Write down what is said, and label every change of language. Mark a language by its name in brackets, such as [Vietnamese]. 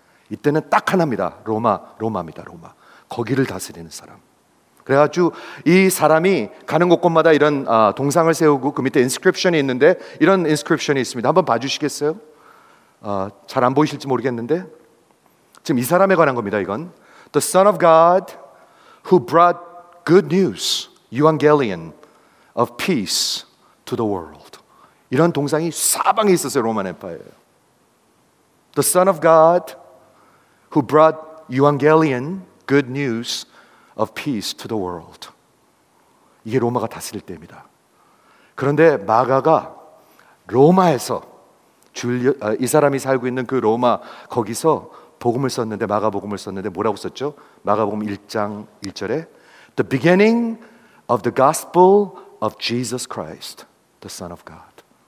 [Korean] 이때는 딱 하나입니다. 로마, 로마입니다. 로마. 거기를 다스리는 사람. 그래가지고 이 사람이 가는 곳곳마다 이런 동상을 세우고 그 밑에 인스크립션이 있는데 이런 인스크립션이 있습니다. 한번 봐주시겠어요? 잘 안 보이실지 모르겠는데 지금 이 사람에 관한 겁니다. 이건 [English] The Son of God who brought good news, evangelion of peace to the world. [Korean] 이런 동상이 사방에 있었어요. 로마 엠파이어. [English] The Son of God who brought evangelion, good news of peace to the world. [Korean] 이게 로마가 다스릴 때입니다. 그런데 마가가 로마에서 이 사람이 살고 있는 그 로마 거기서 복음을 썼는데 마가복음을 썼는데 뭐라고 썼죠? 마가복음 1장 1절에 [English] The beginning of the gospel of Jesus Christ, the Son of God.